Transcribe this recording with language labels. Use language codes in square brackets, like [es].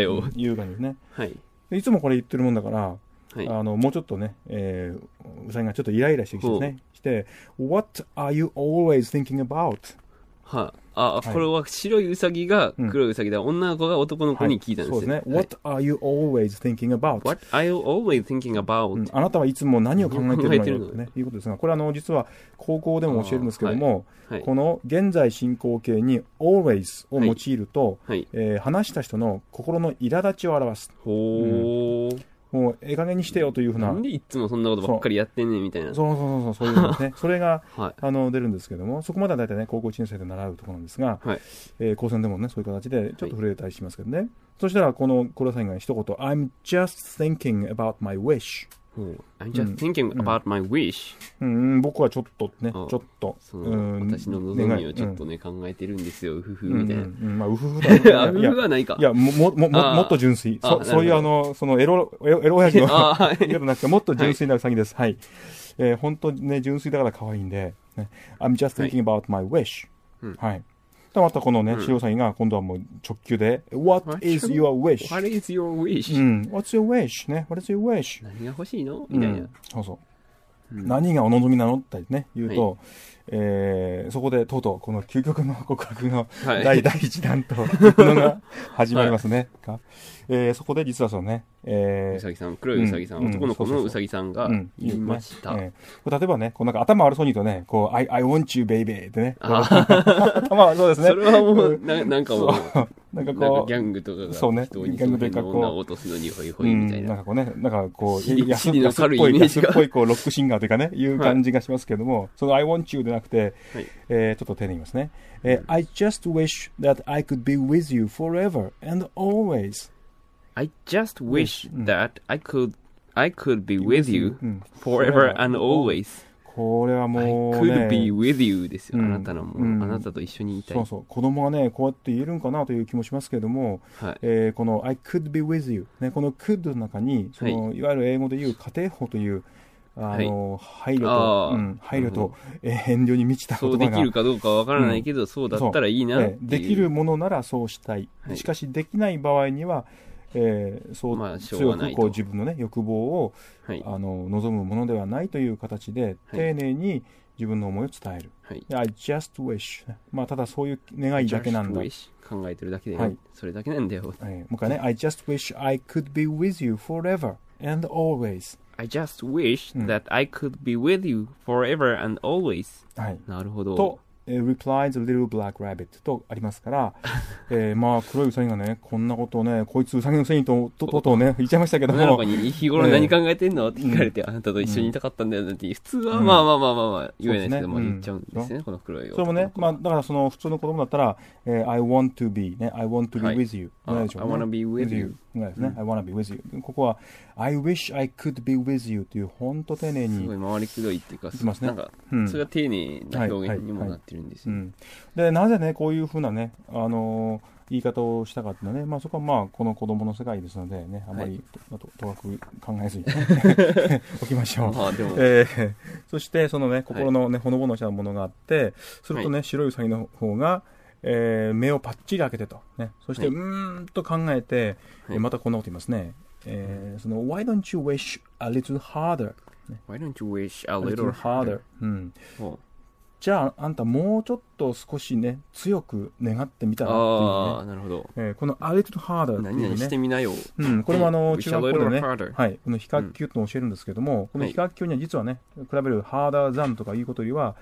[ja] よ。いう感じですね、はい、で。いつもこれ言ってるもんだから、はい、もうちょっとね、うさぎがちょっとイライラしてきてですね。 [en] して、What are you always thinking about? [ja] はあ、あ、これは白いうさぎが黒いうさぎだ、うん。女の子が男の子に聞いたんですよ、はい、ね、はい。 [en] What are you always thinking about? What are you always thinking about?、 [ja] うん、あなたはいつも何を考えてるのよっ、ね、いうことですが、これ実は高校でも教えるんですけども、はいはい、この現在進行形に always を用いると、はいはい、話した人の心の苛立ちを表す。ほー、うん、もうええ加減にしてよというふうな、なんでいつもそんなことばっかりやってんねんみたいな、そうそういうですね、それが、はい、出るんですけども、そこまでは大体ね高校1年生で習うところなんですが、はい、高専でもねそういう形でちょっと触れたりしますけどね、はい、そしたらこの黒さんが一言、はい、 [en] I'm just thinking about my wish、うん、I'm just thinking about my wish、 [ja] うんうん、僕はちょっとね、ちょっとその、うん、私の望みをちょっとね、うん、考えてるんですよ、うふふみたいな、うんうん、まあうふふだね、うふふはないか、いや、もっと純粋、そういうそのエロ親父の言うのなくて、もっと純粋なウサギです、はい、本当ね純粋だから可愛いんで、ね、 [en] I'm just thinking about my wish、 [ja] はい、うん、はい、またこのね、うん、白ウサギが今度はもう直球で、 [en] What is your wish? What is your wish?、うん、What's your wish?、ね、What is your wish? [ja] 何が欲しいのみたいな、うん、そうそう、うん、何がお望みなのって、ね、言うと、はい、そこでとうとうこの究極の告白の、はい、第一弾とのが始まりますね、はい、そこで実はそのね、うさぎさん、黒いうさぎさん、うん、男の子のうさぎさんが言いました。例えばね、こうなんか頭悪そうに言うとね、こう [en] I want you baby [ja] ってね、頭悪そうですね、それはもう なんかもうなんかこうギャングとかが、そうね、ギャングというかこう女を落とすのにホイホイみたいな、うん、なんかこうね、なんかこう安っぽい、安っぽいこうロックシンガーというかね、いう感じがしますけども、はい、その [en] I want you [ja] でなくて、はい、ちょっと丁寧に言いますね、 [en] はい、I just wish that I could be with you forever and always. I just wish that I could be with you forever and always. [ja] これはもうね、 [en] I could be with you [ja] ですよ、うん、あなたのも、うん、あなたと一緒にいたい、そうそう、子供はねこうやって言えるんかなという気もしますけれども、はい、この [en] I could be with you、 [ja] ね、この could の中にその、はい、いわゆる英語で言う仮定法という、配慮と、配慮と、遠慮に満ちた言葉が。そうできるかどうかわからないけど、うん、そうだったらいいなっていう、できるものならそうしたい。はい、しかし、できない場合には、そう、まあ、しょうがないと、強く自分の、ね、欲望を、はい、望むものではないという形で、丁寧に自分の思いを伝える。はい、 [en] I just wish、 [ja] まあ。ただそういう願いだけなんだ。考えてるだけで、はい、それだけなんだよ。もう一回ね、 [en] I just wish I could be with you forever and always. I just wish that I could be with you forever and always.、う [ja] ん、はい。なるほど。と、 [en] replied the little black rabbit [ja] とありますから、まあ、黒いウサギがね、こんなことをね、こいつウサギのせいにとね、言っちゃいましたけども。女の子に日頃何考えてんの、って聞かれて、あなたと一緒にいたかったんだよなんて、普通は、まあ、言えないけども、言っちゃうんですね、うん、この黒いウサギ。 [en] それもね、まあ、だからその普通の子供だったら、I want to be, ね、I want to be with you.、はい、I wanna be with you. ね、うん、I wanna be with you。 ここは I wish I could be with you [ja] という本当丁寧にすごい回りくどいっていうか、います、ね、なんか、うん、それが丁寧な表現にもなってるんですよ、はいはいはい、うん、でなぜねこういうふうなね言い方をしたかっていうのはね、まあ、そこはまあこの子供の世界ですのでね、あまり とがく考えずに、はい、おきましょう。まあでも、そしてそのね心のね、はい、ほのぼのしたものがあって、するとね、はい、白いウサギの方が目をパッチリ開けてと、ね、そして、はい、と考えて、またこんなこと言いますね、はい、その [en] Why don't you wish a little harder? Why don't you wish a little harder? [ja] じゃあ、あんたもうちょっと少しね強く願ってみたらっていう、ね、あ、なるほど、この [en] A little harder [ja] っていう、ね、何してみなよ、うん、これも中学校でね、はい、この比較級と教えるんですけども、うん、この比較級には実はね比べる harder than とかいうことよりは、